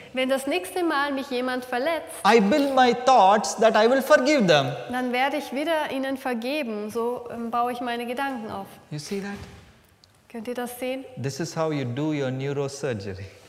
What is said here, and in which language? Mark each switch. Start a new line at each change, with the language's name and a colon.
German: Wenn das nächste Mal mich jemand verletzt.
English: I build my thoughts that I will forgive them.
German: Dann werde ich wieder ihnen vergeben. So baue ich meine Gedanken auf.
English: You see that?
German: Könnt ihr das sehen?
English: This is how you do your neurosurgery.